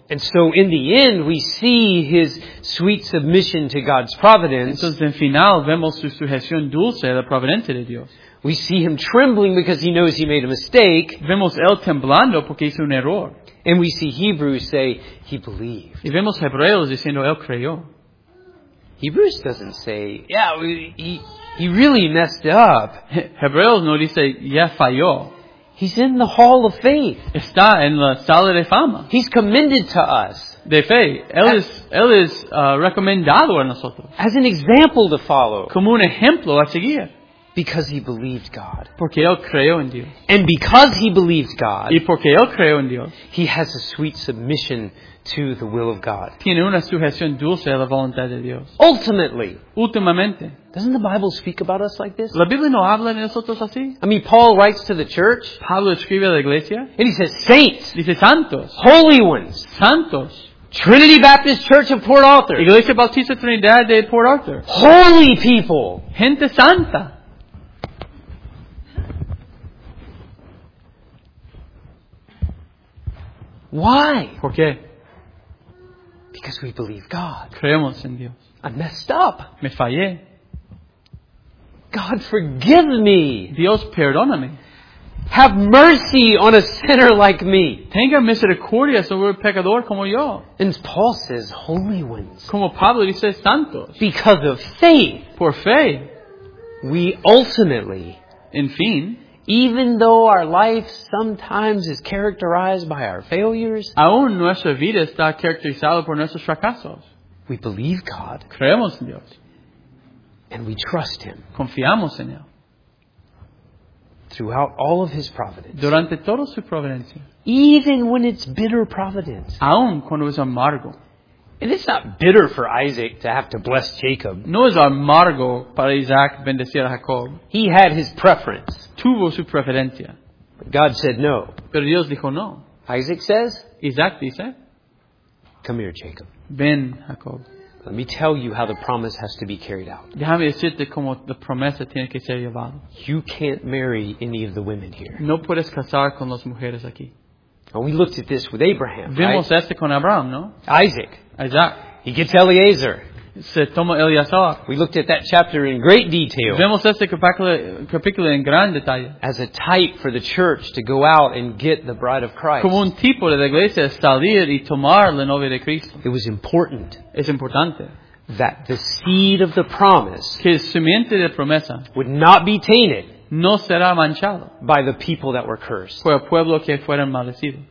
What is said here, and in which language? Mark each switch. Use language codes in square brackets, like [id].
[en] And so in the end, we see his sweet submission to God's providence. [es] Entonces, en final, vemos su sujeción dulce a la providencia de Dios. [en] We see him trembling because he knows he made a mistake. [es] Vemos él temblando porque hizo un error. [en] And we see Hebrews say, he believed. [es] Y vemos Hebreos diciendo, él creyó. [en] Hebrews doesn't say, yeah, he really messed up. [es] Hebreos no dice, ya falló. [en] He's in the hall of faith. [es] Está en la sala de fama. [en] He's commended to us. [es] De fe. Él es recomendado a nosotros. [en] As an example to follow. [es] Como un ejemplo a seguir. [en] Because he believed God. [es] Porque él creyó en Dios. [en] And because he believed God. [es] Y porque él creyó en Dios. [en] He has a sweet submission to the will of God. [es] Tiene una sujeción dulce a la voluntad de Dios. [en] Ultimately. [es] Últimamente. [en] Doesn't the Bible speak about us like this? [es] La Biblia no habla de nosotros así. [en] I mean, Paul writes to the church. [es] Pablo escribe a la iglesia. [en] And he says, saints. [es] Dice santos. [en] Holy ones. [es] Santos. [en] Trinity Baptist Church of Port Arthur. [es] Iglesia Bautista Trinidad de Port Arthur. [en] Holy people. [es] Gente santa. [en] Why? [es] ¿Por qué? [en] Because we believe God. [es] Creemos en Dios. [en] I messed up. [es] Me fallé. [en] God, forgive me. [es] Dios, perdóname. [en] Have mercy on a sinner like me. [es] Tenga misericordia sobre un pecador como yo. [en] And Paul says, holy ones. [es] Como Pablo dice, santos. [en] Because of faith. [es] Por fe. [en] We ultimately. [es] En fin. [en] Even though our life sometimes is characterized by our failures, [es] aún nuestra vida está caracterizada por nuestros fracasos, [en] we believe God. [es] Creemos en Dios. [en] And we trust Him. [es] Confiamos en Él. [en] Throughout all of His providence. [es] Durante toda su providencia. [en] Even when it's bitter providence. [es] Aún cuando es amargo. [en] And it's not bitter for Isaac to have to bless Jacob. [es] No es amargo para Isaac bendecir a Jacob. [en] He had his preference. [es] Tuvo su preferencia. [en] But God said no. [es] Pero Dios dijo no. [en] Isaac says. [es] Isaac dice. [en] Come here, Jacob. [es] Ven, Jacob. [en] Let me tell you how the promise has to be carried out. [es] Déjame decirte cómo la promesa tiene que ser llevada. [en] You can't marry any of the women here. [es] No puedes casar con las mujeres aquí. [en] Well, we looked at this with Abraham. [es] Vimos esto con Abraham, no? [en] Isaac. He gets Eliezer. [es] Se toma Eliezer. [en] We looked at that chapter in great detail. [es] Vimos este capítulo en gran detalle. [en] As a type for the church to go out and get the bride of Christ. [es] Como un tipo de la iglesia salir y tomar la novia de Cristo. [en] It was important. [es] Es importante. [en] That the seed of the promise. [es] Que el simiente de promesa. [en] Would not be tainted. [es] No será manchado. [en] By the people that were cursed. [es] Por el pueblo que fueron maldecidos.